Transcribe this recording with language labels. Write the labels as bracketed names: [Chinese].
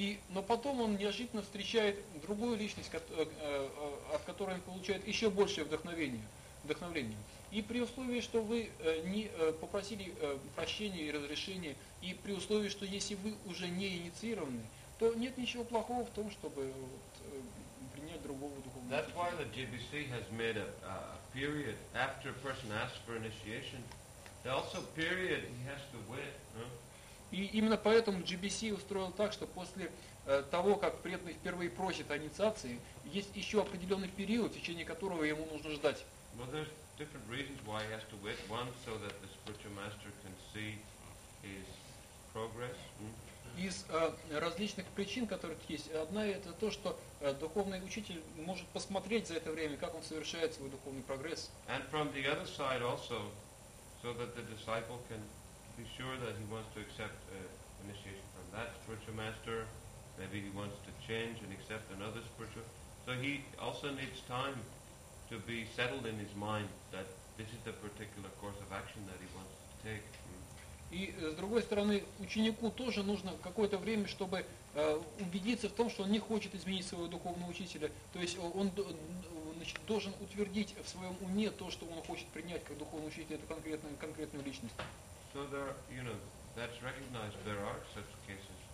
[Russian] Но потом он неожиданно встречает другую личность, от которой он получает еще большее вдохновение. И при условии, что вы не попросили прощения и разрешения, и при условии, что если вы уже не инициированы, то нет ничего плохого в том, чтобы принять другого духовного. [English] That's why the GBC has made a period after a person asks for initiation. There's also a period he has to wait. [Russian] И именно поэтому GBC устроил так, что после того, как преданный впервые просит о инициации, есть еще определенный период, в течение которого ему нужно ждать. [English] Well, there's different reasons why he has to wait. One, so that the spiritual master can see his progress. [Russian] Из различных причин, которые тут есть, одна это то, что духовный учитель может посмотреть за это время, как он совершает свой духовный прогресс. [English] And from the other side also, so that the disciple can be sure that he wants to accept initiation from that spiritual master. Maybe he wants to change and accept another spiritual. So he also needs time to be settled in his mind that this is the particular course of action that he wants to take. [Russian] И с другой стороны, ученику тоже нужно какое-то время, чтобы убедиться в том, что он не хочет изменить своего духовного учителя. То есть он должен утвердить в своем уме то, что он хочет принять как духовного учителя эту конкретную личность. [English] So there, are, you know, that's recognized. There are such cases.